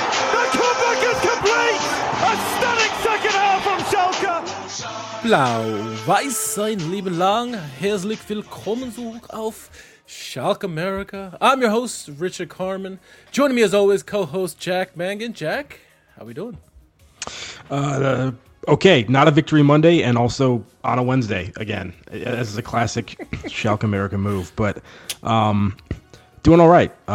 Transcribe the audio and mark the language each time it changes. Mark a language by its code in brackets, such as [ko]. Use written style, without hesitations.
[en] The comeback is complete! A stunning second half from Schalke! [de] Blau, weiß sein Leben lang. Herzlich willkommen zurück auf Schalke America. [en] I'm your host, Richard Carmen. Joining me as always, co-host Jack Mangan. Jack, how we doing? Okay, not a victory Monday and also on a Wednesday again. This is a classic Schalke America move, but doing all right.